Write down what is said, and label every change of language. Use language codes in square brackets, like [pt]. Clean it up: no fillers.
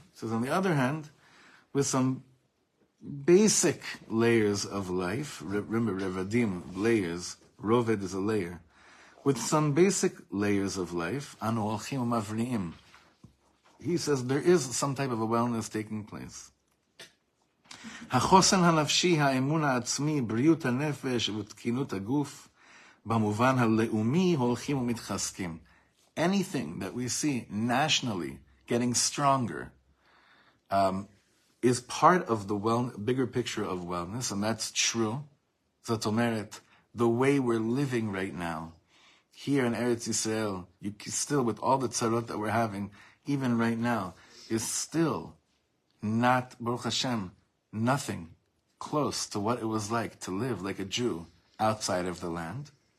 [en] Says on the other hand, with some basic layers of life, remember revadim, layers, roved is a layer, with some basic layers of life, [he] anu holchim umavrim, [en] he says there is some type of a wellness taking place. [he] החוסן הנפשי, האמון העצמי, בריאות הנפש ותקינות הגוף במובן הלאומי הולכים ומתחזקים. [en] Anything that we see nationally getting stronger is part of the bigger picture of wellness, and that's true. [he] זאת אומרת, [en] the way we're living right now, here in Eretz Yisrael, you still, with all the tzarot that we're having, even right now, is still not, Baruch Hashem, nothing close to what it was like to live like a Jew outside of the land.